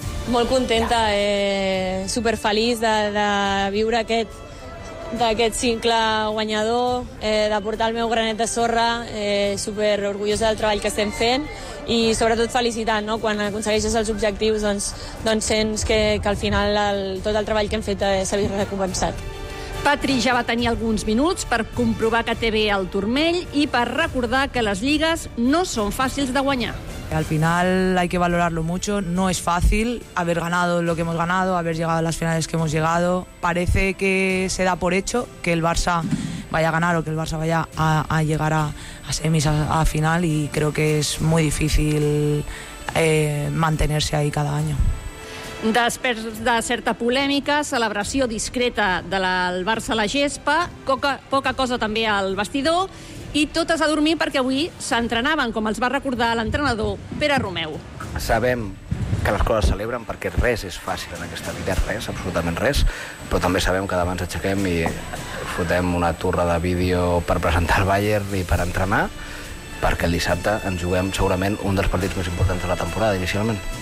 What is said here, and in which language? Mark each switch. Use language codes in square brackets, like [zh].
[ca] Molt contenta, superfeliç de viure aquest cicle guanyador, de portar el meu granet de sorra, superorgullosa del treball que estem fent i sobretot felicitant, no? Quan aconsegueixes els objectius, doncs sents que al final tot el treball que hem fet s'ha vist recompensat. Patri ja va tenir alguns minuts per comprovar que té bé el turmell i per recordar que les lligues no són fàcils de guanyar. [es] Al final hay que valorarlo mucho, no es fácil haber ganado lo que hemos ganado, haber llegado a las finales que hemos llegado. Parece que se da por hecho que el Barça vaya a ganar o que el Barça vaya a llegar a semis, a final, y creo que es muy difícil mantenerse ahí cada año. [ca] Després de certa polèmica, celebració discreta del Barça a la gespa, poca cosa també al vestidor, i totes a dormir perquè avui s'entrenaven, com els va recordar l'entrenador Pere Romeu. Sabem que les coses celebren perquè res és fàcil en aquesta vida, res, absolutament res, però també sabem que demà ens aixequem i fotem una turra de vídeo per presentar el Bayern i per entrenar, perquè el dissabte ens juguem segurament un dels partits més importants de la temporada, inicialment.